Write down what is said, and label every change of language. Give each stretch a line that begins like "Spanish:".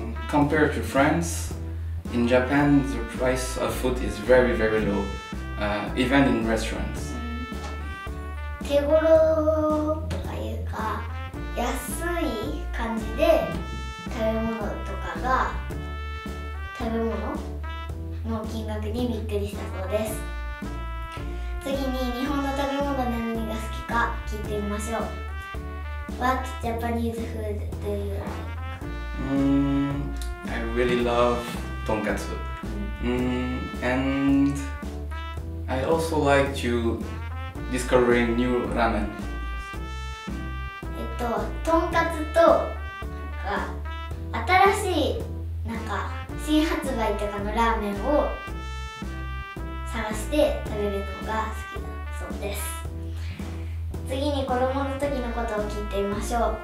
English: Compared to France, in Japan, the price of food is very, very low, even in restaurants.
Japanese: 手頃というか、安い感じで食べ物とかが、食べ物の金額にびっくりしたそうです。次に日本の食べ物何が好きか聞いてみましょう。
English: What Japanese food do you like? I really love tonkatsu. And I also like to discovering new ramen.
Japanese: Tonkatsu と新しいなんか新発売とかのラーメンを探して食べるのが好きだそうです。次に子供の時のことを聞いてみましょう。